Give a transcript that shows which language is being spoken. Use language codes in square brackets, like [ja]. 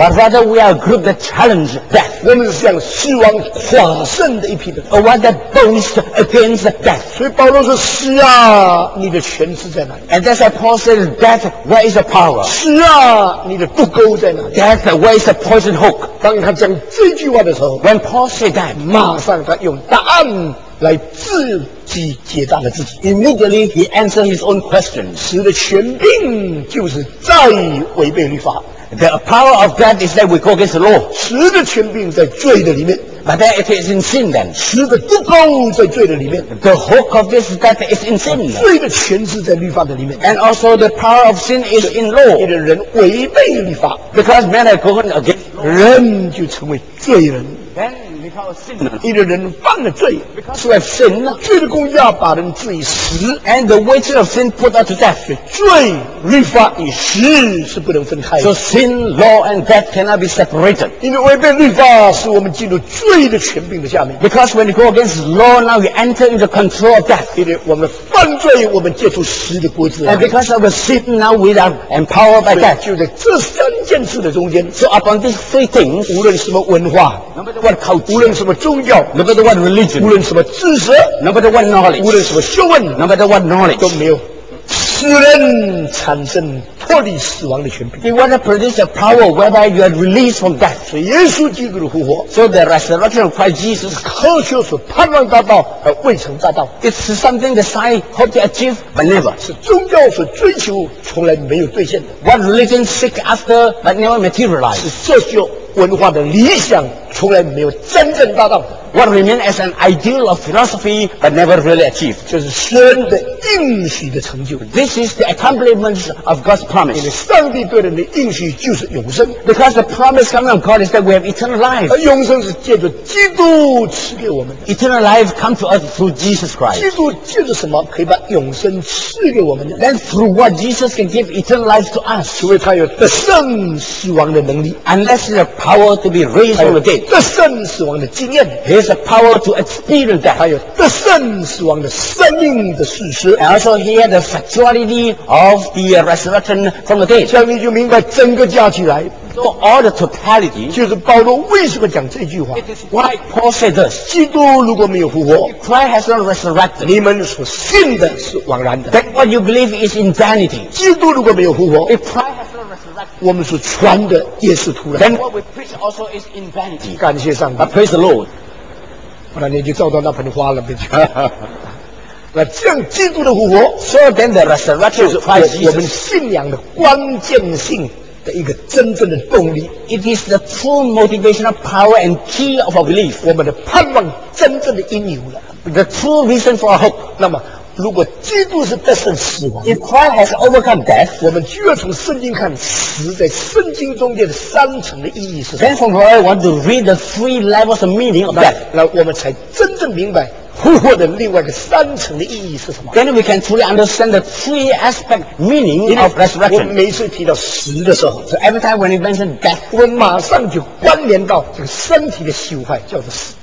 [en] But rather we are a group that challenge death. [zh] 我们是向死亡跨胜的一批的人。 [en] A one that boasts against death. [zh] 所以保罗说：“死啊，你的权势在哪里 [en] ？”And that's why Paul said, "Death, where is the power?" [zh] 死啊，你的毒钩在哪里 [en] ？Death, where is the poison? [zh] 当他讲这句话的时候 [en] When Paul said that, [zh] 马上他用答案来自己解答了自己 [en] Immediately he answered his own question [zh] 死的权柄就是再违背律法 [en] The power of death is that we go against the law [zh] 死的权柄在罪的里面 [en] But then it is in sin then. [zh] 死的毒钩在罪的里面。 [en] The hook of this death is in sin. [zh] 罪的权势在律法的里面。 [en] And also the power of sin is in law. [zh] 因为人违背律法。 [en] Because man has gone against law. [zh] 人就成为罪人。 [en] Then because of sin. [zh] 因为人犯了罪。 [en] Because of sin. [zh] 罪的公义要把人治以死。 [en] And the wages of sin put unto death. [zh] 罪、律法与死是不能分开的。 [en] So sin, law and death cannot be separated. [zh] 因为违背律法使我们进入罪。罪的权柄的下面 [en] Because when you go against law, now you enter into control of death. [zh] 因为我们犯罪，我们借助死的国子。 [en] And because of sin, now we are empowered by death. [zh] 就在这三件事的中间 [en] So upon these three things, [zh] 无论什么文化 [en] Number one, culture, [zh] 无论什么宗教 [en] Number one, religion, [zh] 无论什么知识 [en] Number one, knowledge, [zh] 无论什么学问 [en] Number one, knowledge, [zh] 都没有使人产生脱离死亡的权柄。 [en] He wants to produce a power whereby you are released from death. [zh] 是耶稣基督的复活。 [en] So the resurrection of Christ Jesus [zh] 科学所盼望达到而未曾达到。 [en] It's something the science hope to achieve but never. [zh] 是宗教所追求从来没有兑现的。 [en] What religion seek after but never materialize. [zh] 是社交文化的理想从来没有真正达到的。 [en] What remains as an ideal of philosophy but never really achieved. [zh] 就是神的应许的成就。 [en] This is the accomplishment of God's promise. [zh] 因为上帝对人的应许就是永生。 [en] Because the promise coming from God is that we have eternal life. [zh] 而永生是借着基督赐给我们的。 [en] Eternal life comes to us through Jesus Christ. [zh] 基督借着什么可以把永生赐给我们的？ [en] Then through what Jesus can give eternal life to us. [zh] 除非他有得胜死亡的能力。 [en] Unless the power to be raised from the dead. [zh] 得胜死亡的经验。 [en] There's a power to experience that. [zh] 还有得胜死亡的生命的事实。 [en] And also he had the factuality of the resurrection from the dead. [zh] 这样你就明白整个加起来。 [en] So all the totality. [zh] 就是保罗为什么讲这句话。 [en] It is why Paul said this. [zh] 基督如果没有复活。 [en] If Christ has not resurrected. [zh] 你们所信的是枉然的。 [en] That what you believe is in vanity. [zh] 基督如果没有复活。 [en] If Christ has not resurrected. [zh] 我们所传的也是徒然。 [en] Then what we preach also is in vanity. [zh] 感谢上帝。 [en] But praise the Lord. [zh] 不然你就照到那盆花了，别去。那这样基督的复活， [en] 所以 then the resurrection of Christ Jesus, [zh] 我们信仰的关键性的一个真正的动力。 [en] It is the true motivational power and key of our belief. [zh] 我们的盼望真正的因由了。 [en] The true reason for our hope. [zh] 那么，如果基督是战胜死亡 [en] ，If Christ has overcome death, [zh] 我们就要从圣经看死在圣经中间的三层的意义是什么。 [en] Then from where I want to read the three levels of meaning of death. [zh] 那我们才真正明白复活的另外一个三层的意义是什么。 [en] Then we can truly understand the three aspect meaning of resurrection. [zh] 我每次提到死的时候 [en] ，So every time when you mention death, [zh] 我马上就关联到这个身体的朽坏，叫做死。